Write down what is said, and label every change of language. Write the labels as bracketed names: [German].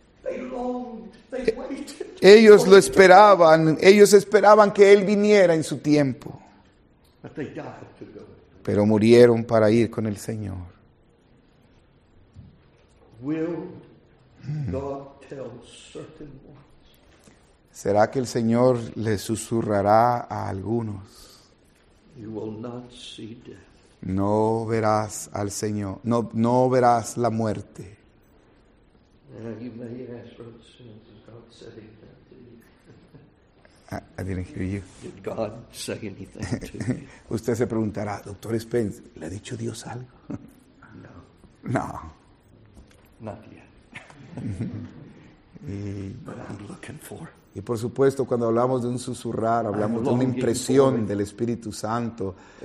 [English] They longed, they waited. [Spanish] Ellos lo esperaban. Ellos esperaban que él viniera en su tiempo. [English] But they died to go. [Spanish] Pero murieron para ir con el Señor. [English] Will God tell certain ones? [Spanish] ¿Será que el Señor le susurrará a algunos? [English] You will not see death. [Spanish] No verás al Señor. No, no verás la muerte. [English] You may ask what sense God said anything to you. I didn't hear you. Did God say anything to you? [Spanish] Usted se preguntará, Dr. Spence, ¿le ha dicho Dios algo? [English] No. [Spanish] No. [English] Not yet. But I'm looking for. [Spanish] Y por supuesto, cuando hablamos de un susurrar, hablamos de una impresión del Espíritu Santo.